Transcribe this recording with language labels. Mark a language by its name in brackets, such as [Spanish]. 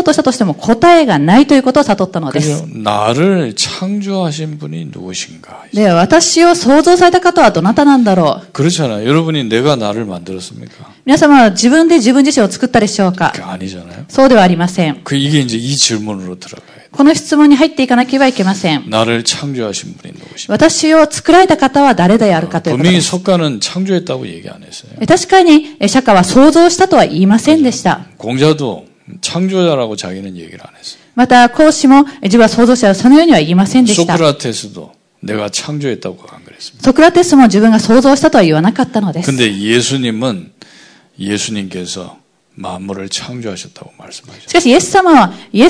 [Japanese] この中をどれほど探り出したとしても、私自身をどれほど探り出そうとしたとしても答えがないということを悟ったのです。 [Korean] 나를 창조하신 분이 누구신가? [Japanese] 네, 私を創造された方はどなたなんだろう。 [Korean] 그렇잖아요. 여러분이 내가 나를 만들었습니까? [Japanese] 皆様は自分で自分自身を作ったでしょうか? [Korean] 그 아니잖아요. [Japanese] そうではありません。 [Korean] 그 이게 이제 이 질문으로 들어가요. [Japanese] この質問に入っていかなければいけません。 [Korean] 나를 창조하신 분이 누구신가? [Japanese] 私を作られた方は誰であるかということ。 [Korean] 분명히 석가는 창조했다고 얘기 안 했어요. [Japanese] 確かに釈迦は創造したとは言いませんでした。 [Korean] 공자도 창조자라고 자기는 얘기를 안 했어요. [Japanese] また孔子も自分は創造者はそのようには言いませんでした。 [Korean] 소크라테스도 내가 창조했다고 안 그랬습니다. [Japanese] 소크라테스も自分が創造したとは言わなかったのです。 [Korean] 근데 예수님은 예수님께서 만물을 창조하셨다고 말씀하셨어요.